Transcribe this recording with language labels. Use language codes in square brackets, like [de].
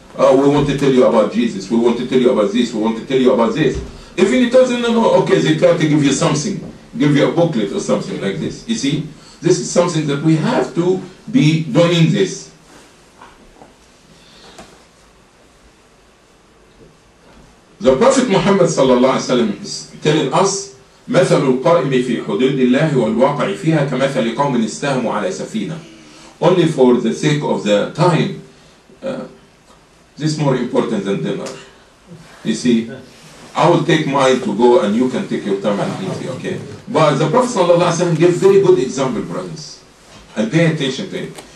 [en] We want to tell you about Jesus. We want to tell you about this. We want to tell you about this. Even it doesn't know, okay, they try to give you something, give you a booklet or something like this. You see, this is something that we have to be doing this. The Prophet Muhammad sallallahu alaihi wasallam is telling us, [ar] مثل القائم في حدود الله والواقع فيها كمثل قوم استهموا على سفينة. [en] Only for the sake of the time, this is more important than dinner. You see, I will take mine to go and you can take your time and eat it, okay? But the Prophet sallallahu alaihi wasallam gives very good example, brothers. And pay attention to it.